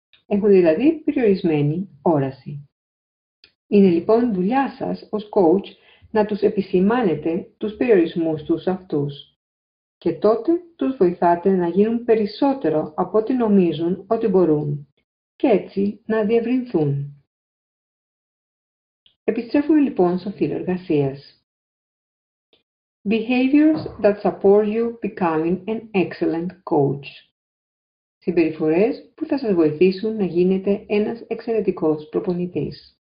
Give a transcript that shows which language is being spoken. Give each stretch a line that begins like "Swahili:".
Greek: Έχουν δηλαδή περιορισμένη όραση. Είναι λοιπόν δουλειά σας ως coach να τους επισημάνετε τους περιορισμούς τους αυτούς και τότε τους βοηθάτε να γίνουν περισσότερο από ό,τι νομίζουν ότι μπορούν και έτσι να διευρυνθούν. Επιστρέφουμε λοιπόν στο φύλλο εργασίας.
English: Behaviors that support you becoming an excellent coach.
Greek: Συμπεριφορές που θα σας βοηθήσουν να γίνετε ένας εξαιρετικός προπονητής.